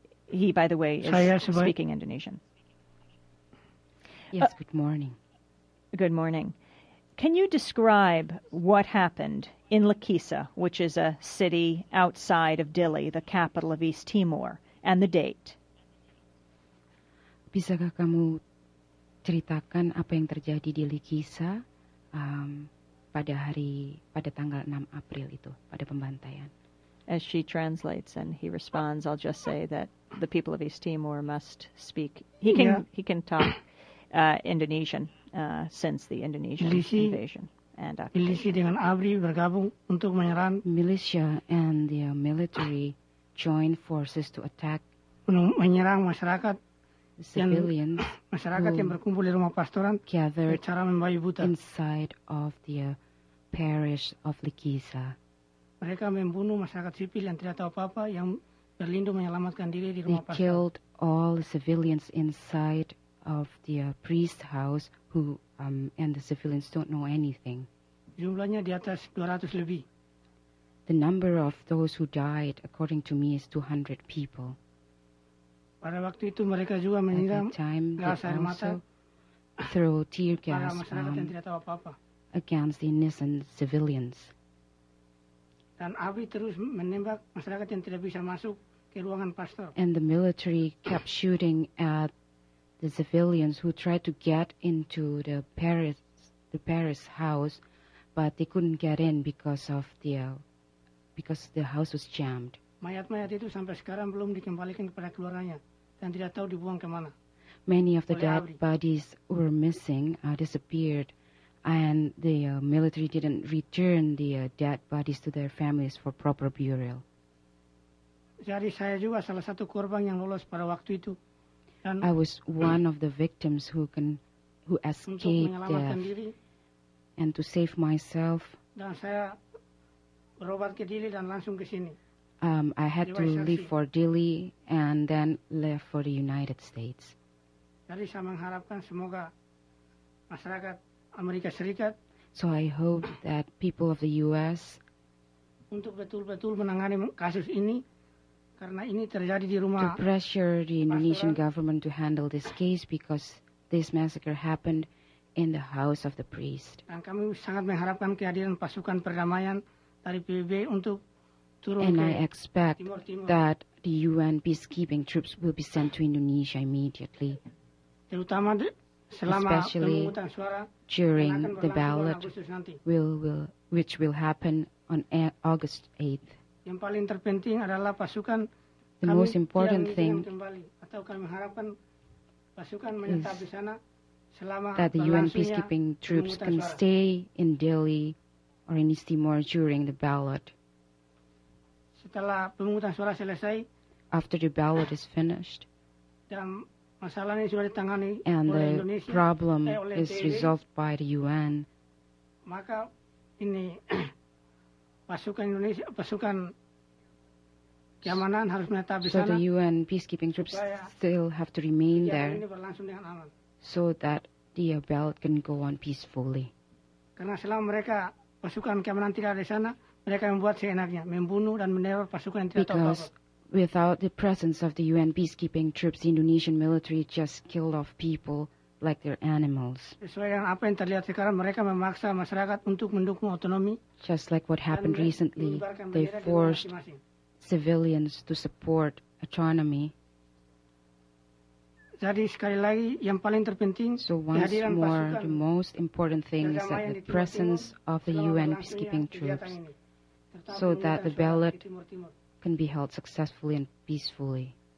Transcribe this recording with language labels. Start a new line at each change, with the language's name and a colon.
English: He, by the way, is speaking Indonesian. Yes, good morning. Good morning. Can you describe what happened in Lekisa, which is a city outside of Dili, the capital of East Timor, and the date?
Indonesian: Bisakah kamu ceritakan apa yang terjadi di Lekisa pada tanggal 6 April itu, pada pembantaian?
English: As she translates and he responds, I'll just say that the people of East Timor must speak. He can he can talk Indonesian since the Indonesian
Indonesian: Milisi,
English: invasion and occupation.
Indonesian: Dengan ABRI bergabung untuk menyerang.
English: Militia and the military join forces to attack.
Indonesian: Menyerang masyarakat.
English: Civilians.
Indonesian: Masyarakat yang berkumpul di rumah pastoran.
English: Gathered
Indonesian: cara membayu buta.
English: Inside of the parish of Lekisa.
Indonesian: Mereka membunuh masyarakat sipil yang tidak tahu apa-apa, yang berlindung menyelamatkan diri di rumah pastoran.
English: They killed all the civilians inside of the priest's house who and the civilians don't know anything.
Indonesian: Jumlahnya di atas 200 lebih.
English: The number of those who died, according to me, is 200 people.
Indonesian: Pada waktu itu mereka juga menyiram gas air mata,
English: throw tear gas against the innocent civilians.
Indonesian: Dan api terus menembak masyarakat yang tidak bisa masuk ke ruangan pastor.
English: And the military kept shooting at the civilians who tried to get into the Paris house, but they couldn't get in because the house was jammed.
Indonesian: Mayat-mayat itu sampai sekarang belum dikembalikan kepada keluarganya dan tidak tahu dibuang ke mana.
English: Many of the dead bodies were missing, disappeared, and the military didn't return the dead bodies to their families for proper burial.
Indonesian: Jadi saya juga salah satu korban yang lolos pada waktu itu.
English: Dan I was one of the victims who escaped death.
Indonesian: Diri,
English: and to save myself,
Indonesian: dan saya berobat ke Dili dan langsung ke sini.
English: I had to leave for Dili and then left for the United States.
Indonesian: Jadi saya mengharapkan semoga masyarakat Amerika Serikat.
English: So I hope that people of the U.S.
Indonesian: untuk betul-betul menangani kasus ini, karena ini terjadi di rumah.
English: To pressure the Indonesian government to handle this case because this massacre happened in the house of the priest.
Indonesian: Dan kami sangat mengharapkan kehadiran pasukan perdamaian dari PBB untuk turun ke
English: Timur. And I expect that the UN peacekeeping troops will be sent to Indonesia immediately.
Indonesian: Terutama selama pemungutan suara
English: during the ballot which will happen on August 8th.
Indonesian: Yang paling terpenting adalah pasukan
English: the
Indonesian: kami
English: most important thing
Indonesian: kembali, atau kami harapkan pasukan menetap di sana selama
English: that the UN peacekeeping troops can stay in Delhi or in East Timor during the ballot.
Indonesian: Setelah pemungutan suara selesai,
English: after the ballot is finished,
Indonesian: dan masalah ini sudah ditangani
English: and
Indonesian: oleh
English: the
Indonesian: Indonesia,
English: problem
Indonesian: oleh
English: is resolved by the UN,
Indonesian: maka ini pasukan Indonesia, pasukan keamanan harus menetap di sana.
English: So the UN peacekeeping troops still have to remain there so that the ballot can go on peacefully.
Indonesian: Karena selama mereka pasukan keamanan tidak ada di sana, mereka membuat seenaknya, membunuh dan meneror pasukan yang tidak tahu apa-apa.
English: Without the presence of the UN peacekeeping troops, the Indonesian military just killed off people like their animals.
Indonesian: Sesuai dengan apa yang terlihat sekarang, mereka memaksa masyarakat untuk mendukung otonomi.
English: Just like what happened recently, they forced civilians to support autonomy.
Indonesian: Jadi sekali lagi yang paling terpenting,
English: so once more, the most important thing is that the presence of the UN peacekeeping troops so that the ballot can be held successfully and peacefully.